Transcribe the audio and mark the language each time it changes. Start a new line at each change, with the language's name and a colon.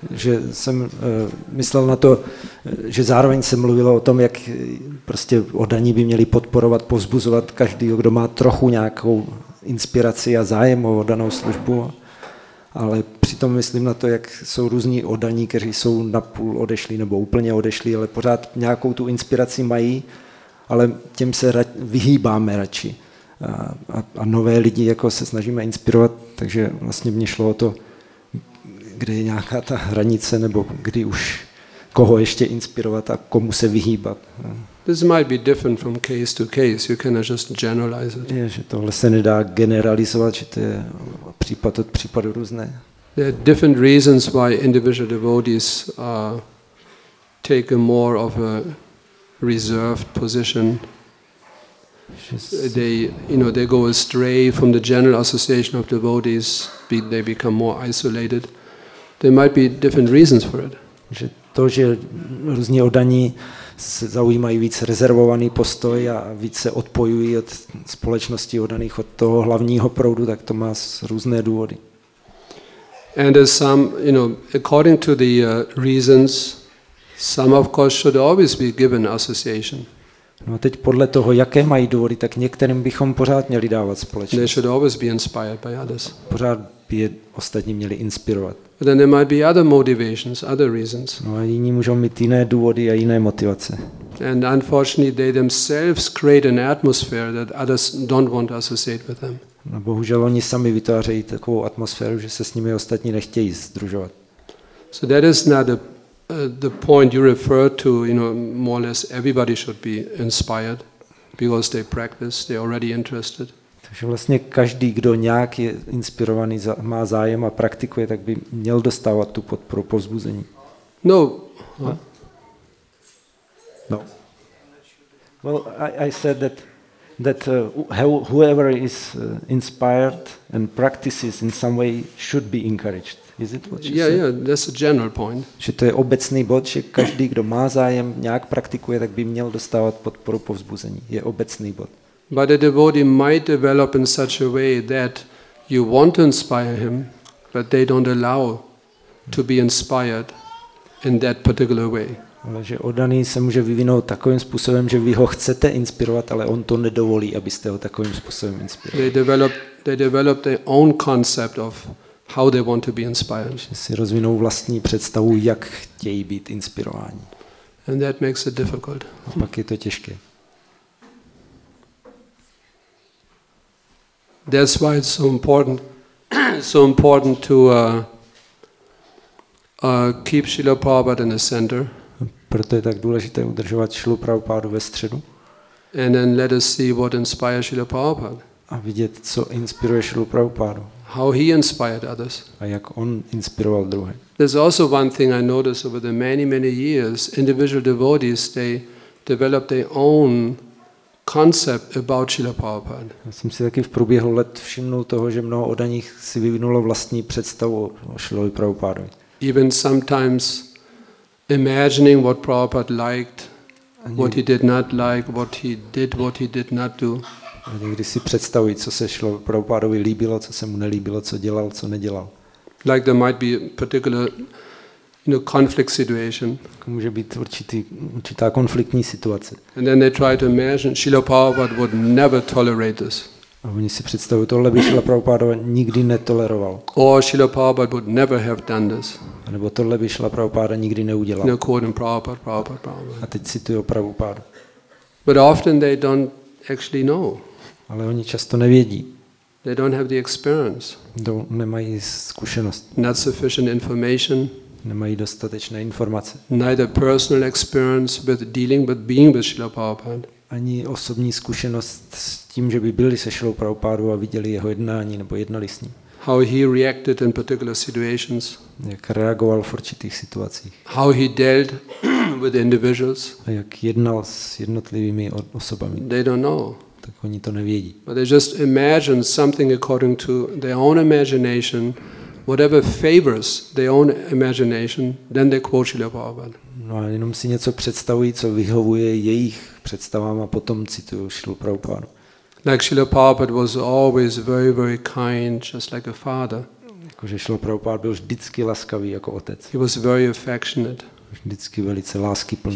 Czech: Že jsem myslel na to, že zároveň se mluvilo o tom, jak prostě oddaní by měli podporovat, povzbuzovat každého, kdo má trochu nějakou inspiraci a zájem o oddanou službu, ale přitom myslím na to, jak jsou různí oddaní, kteří jsou napůl odešli nebo úplně odešli, ale pořád nějakou tu inspiraci mají, ale těm se vyhýbáme radši. A nové lidi jako se snažíme inspirovat, takže vlastně mě šlo o to, kde je nějaká ta hranice, nebo kdy už koho ještě inspirovat a komu se vyhýbat.
English: This might be different from case to case. You cannot just generalize it.
Czech: Je, že tohle se nedá generalizovat, že to je případ od případu různé.
English: There are different reasons why individual devotees take a more of a reserved position. They go astray from the general association of devotees, they become more isolated. There might be different reasons for it.
Czech: Že to, že různí oddaní se zaujímají víc rezervovaný postoj a víc se odpojují od společnosti oddaných, od toho hlavního proudu, tak to má různé důvody.
English: And there's some, you know, according to the reasons, some of course should always be given association.
Czech: No a teď podle toho, jaké mají důvody, tak některým bychom pořád měli dávat společnost.
English: They should always be inspired by others.
Czech: Pořád by je ostatní měli inspirovat.
English: But then there might be other motivations, other reasons.
Czech: No, jiní můžou mít jiné důvody a jiné motivace.
English: And unfortunately, they themselves create an atmosphere that others don't want to associate with them.
Czech: No, bohužel oni sami vytvářejí takovou atmosféru, že se s nimi ostatní nechtějí sdružovat.
English: So that is not the point you refer to, you know, more or less everybody should be inspired because they practice, they're already interested.
Czech: Takže vlastně každý, kdo nějak je inspirovaný, má zájem a praktikuje, tak by měl dostávat tu podporu, povzbuzení. No. No.
English: Well, I said that whoever is inspired and practices in some way should be encouraged. Is it what you said? Yeah, that's a general point.
Czech: Že to je obecný bod, že každý, kdo má zájem, nějak praktikuje, tak by měl dostávat podporu, povzbuzení. Je obecný bod.
English: But a devotee might develop in such a way that you want to inspire him, but they don't allow to be inspired in that particular way.
Czech: Ale že oddaný se může vyvinout takovým způsobem, že vy ho chcete inspirovat, ale on to nedovolí, abyste ho takovým způsobem inspirovali.
English: They develop their own concept of how they want to be inspired.
Czech: Že si rozvinou vlastní představu, jak chtějí být inspirováni.
English: And that makes it difficult.
Czech: A pak je to těžké.
English: That's why it's so important to keep Srila Prabhupada in the center.
Czech: Proto je tak důležité udržovat Srilu Prabhupádu ve středu.
English: And then let us see what inspires Srila Prabhupada.
Czech: A vidět, co inspiruje Srilu Prabhupádu.
English: How he inspired others.
Czech: A jak on inspiroval druhé.
English: There's also one thing I noticed over the many, many years. Individual devotees, they develop their own concept about Srila Prabhupada.
Czech: Já jsem si taky v průběhu let všimnul toho, že mnoho oddaných si vyvinulo vlastní představu o Srilovi Prabhupádovi.
English: Even sometimes imagining what Prabhupada liked, what he did not like, what he did not do.
Czech: A někdy si představují, co se Srila Prabhupádovi líbilo, co se mu nelíbilo, co dělal, co nedělal.
English: Like there might be a particular, you know, conflict situation.
Czech: Může být určitá konfliktní situace.
English: And then they try to imagine Srila Prabhupada would never tolerate this.
Czech: A oni si představují, tohle by Srila Prabhupada nikdy netoleroval.
English: Or Srila Prabhupada would never have done this.
Czech: A nebo tohle by Srila Prabhupada nikdy neudělal.
English: No, quoting Prabhupada.
Czech: A teď cituje Prabhupada.
English: But often they don't actually know.
Czech: Ale oni často nevědí.
English: They don't have the experience.
Czech: Nemají zkušenost.
English: Not sufficient information.
Czech: Nemají dostatečné informace.
English: Neither personal experience with dealing with being with Srila Prabhupada.
Czech: Ani osobní zkušenost s tím, že by byli se Srilou Prabhupádou a viděli jeho jednání nebo jednali s ním.
English: How he reacted in particular situations.
Czech: Jak reagoval v určitých situacích.
English: How he dealt with individuals.
Czech: A jak jednal s jednotlivými osobami.
English: They don't know.
Czech: Tak oni to nevědí.
English: But they just imagine something according to their own imagination. Whatever favors their own imagination, then they quote Srila Prabhupada.
Czech: No, jenom si něco představují, co vyhovuje jejich představám a potom cituju Srilu Prabhupádu.
English: Like Srila Prabhupada was always very, very kind, just like a father.
Czech: Jakože Srila Prabhupada byl vždycky laskavý jako otec.
English: He was very affectionate.
Czech: Vždycky velice láskyplný.